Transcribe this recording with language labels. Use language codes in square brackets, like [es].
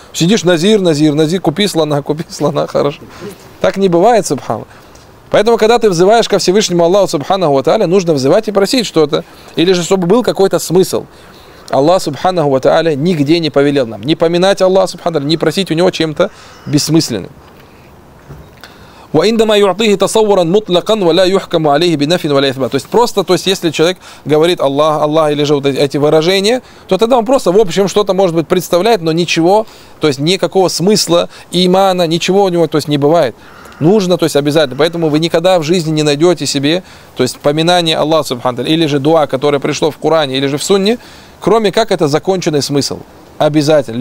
[ru] Сидишь, назир, назир, назир, купи слона, хорошо. Так не бывает, Субхан. Поэтому, когда ты взываешь ко Всевышнему Аллаху, Субханаху ва Тааля, нужно взывать и просить что-то. Или же, чтобы был какой-то смысл. Аллах, Субханаху ва Тааля, нигде не повелел нам. Не поминать Аллаха, Субханаху ва Тааля, не просить у него чем-то бессмысленным. [ar] وعندما يعطيه تصورا مطلقا ولا يحكم عليه بنف ولا اثبات. [ru] То есть просто, то есть если человек говорит Аллах, Аллах, или же вот эти выражения, то тогда он просто в общем что-то может быть представляет, но ничего, то есть никакого смысла имана, ничего у него, то есть не бывает. Нужно, то есть обязательно. Поэтому вы никогда в жизни не найдете себе, то есть поминание Аллаха субхана или же дуа, которое пришло в Коране или же в Сунне, кроме как это законченный смысл. Обязательно.